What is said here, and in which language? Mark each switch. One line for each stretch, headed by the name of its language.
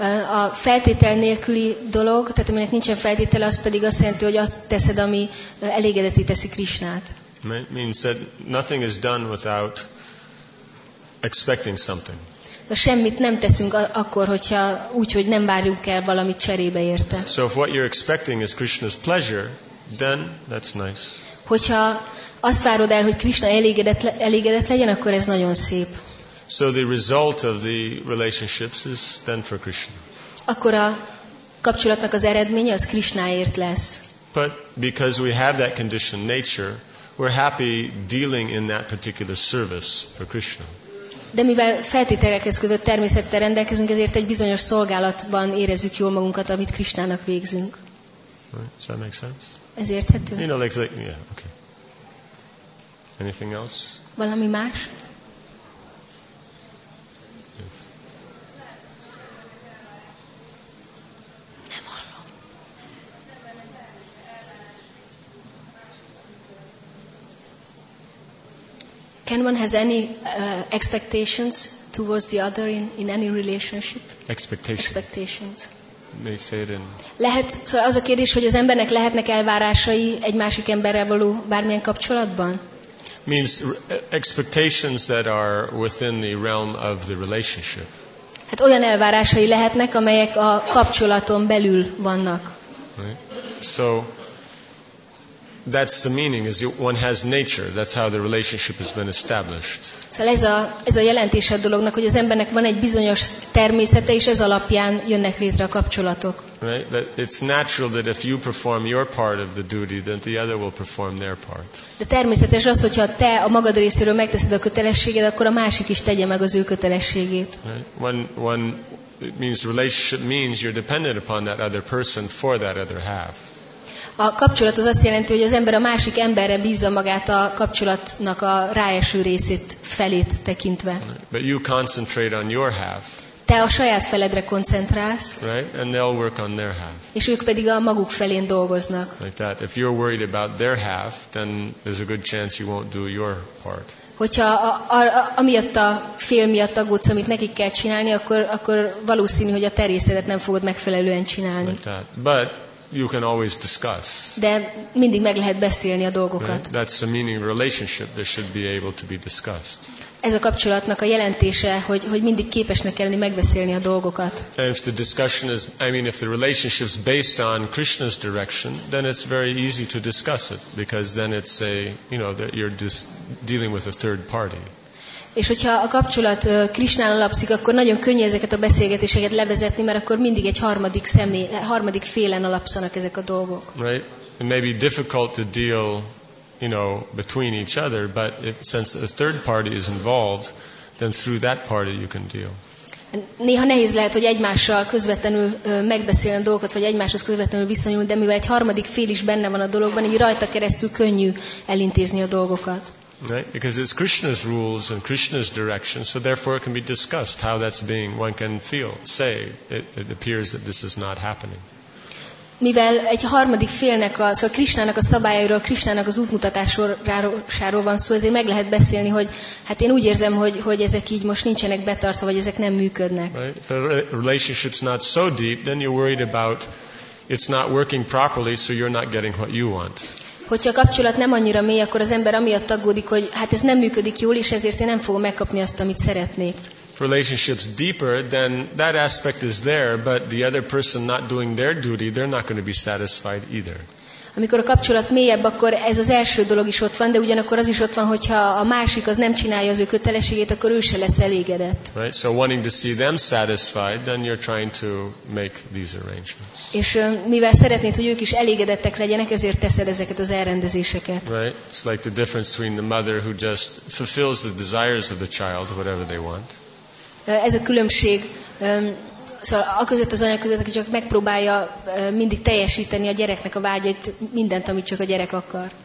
Hungarian: A feltétel nélküli dolog, tehát aminek nincsen feltétele, az pedig azt jelenti, hogy azt teszed, ami elégedetté teszi Krishnát.
English: Means that nothing is done without expecting something.
Hungarian: De semmit nem teszünk akkor, hogyha úgy, hogy nem várjuk el valamit cserébe érte.
English: So if what you're expecting is Krishna's pleasure, then that's nice.
Hungarian: Hogyha azt várod el, hogy Krishna elégedett legyen, akkor ez nagyon szép.
English: So the result of the relationships is then for Krishna.
Hungarian: Akkor a kapcsolatnak az eredménye az Krishnáért lesz.
English: But because we have that conditioned nature, we're happy dealing in that particular service for Krishna.
Hungarian: De mivel feltételekhez kötött természettel rendelkezünk, ezért egy bizonyos szolgálatban érezzük jól magunkat, amit Krishnának végzünk.
English: Does that make sense?
Hungarian: Ez érthető?
English: You know, like, yeah, okay. Anything else?
Hungarian: Valami más?
English: Can one has any expectations towards the other in any relationship? Expectations. May say it in.
Hungarian: Lehet, szóval az a kérdés, hogy az embernek lehetnek elvárásai egy másik emberrel való bármilyen kapcsolatban?
English: Means expectations that are within the realm of the relationship.
Hungarian: Hát olyan elvárásai lehetnek, amelyek a kapcsolaton belül vannak.
English: Right. So that's the meaning, is one has nature, that's how the relationship has been established. Szóval ez a jelentése a dolognak, hogy az embernek van egy bizonyos természete, és ez alapján jönnek létre a kapcsolatok. Right? That it's natural that if you perform your part of the duty, then the other will perform their part.
Hungarian: De természetes az, hogyha te a magad részéről megteszed a kötelességed, akkor a másik is tegye meg az ő kötelességét.
English: Right? One it means relationship means you're dependent upon that other person for that other half.
Hungarian: A kapcsolat az azt jelenti, hogy az ember a másik emberre bízza magát a kapcsolatnak a ráeső részét felét tekintve.
English: But you concentrate on your half.
Hungarian: te a saját feledre koncentrálsz.
English: Right? And they'll work on their half.
Hungarian: És ők pedig a maguk felén dolgoznak.
English: Like that. If you're worried about their half, then there's a good chance you won't do your part.
Hungarian: Hogyha amiatt a fél miatt aggódsz, amit nekik kell csinálni, akkor valószínű, hogy a te részedet nem fogod megfelelően csinálni.
English: Like that. But you can always discuss.
Hungarian: De mindig meg lehet beszélni a dolgokat.
English: Right? That's the meaning of relationship. There should be able to be discussed.
Hungarian: Ez a kapcsolatnak a jelentése, hogy mindig képesnek kell lenni megbeszélni a dolgokat.
English: And if the discussion is, I mean, if the relationship is based on Krishna's direction, then it's very easy to discuss it, because then it's a, you know, that you're just dealing with a third party.
Hungarian: És hogyha a kapcsolat Krishnán alapszik, akkor nagyon könnyű ezeket a beszélgetéseket levezetni, mert akkor mindig egy harmadik félen alapszanak ezek a dolgok.
English: Right? It may be difficult to deal, you know, between each other, but since a third party is involved, then through that party you can deal.
Hungarian: Néha nehéz lehet, hogy egymással közvetlenül megbeszélni a dolgokat, vagy egymáshoz közvetlenül viszonyulni, de mivel egy harmadik fél is benne van a dologban, így rajta keresztül könnyű elintézni a dolgokat.
English: Right? Because it's Krishna's rules and Krishna's direction, so therefore it can be discussed how that's being, one can feel, say, it appears that this is not happening.
Hungarian: Mivel egy harmadik félnek, szóval Krishnának a szabályairól, Krishnának az útmutatásáról van szó, ezért meg lehet beszélni, hogy hát én úgy érzem, hogy ezek így most nincsenek betartva, vagy ezek nem működnek.
English: Right? The relationship's not so deep, then you're worried about it's not working properly, so you're not getting what you want.
Hungarian: Hogyha a kapcsolat nem annyira mély, akkor az ember amiatt aggódik, hogy hát ez nem működik jól, és ezért én nem fogom megkapni azt, amit szeretnék.
English: Relationships deeper, then that aspect is there, but the other person not doing their duty, they're not going to be satisfied either.
Hungarian: Amikor a kapcsolat mélyebb, akkor ez az első dolog is ott van, de ugyanakkor az is ott van, hogyha a másik az nem csinálja az ő kötelességét, akkor ő se lesz elégedett.
English: Right? So wanting to see them satisfied, then you're trying to make these arrangements.
Hungarian: És mivel szeretnéd, hogy ők is elégedettek legyenek, ezért teszed ezeket az elrendezéseket.
English: Right? It's like the difference between the mother who just fulfills the desires of the child, whatever they want.
Hungarian: Ez a különbség, szóval a között az anya között, aki csak megpróbálja mindig teljesíteni a gyereknek a vágyait, mindent, amit csak a gyerek akar.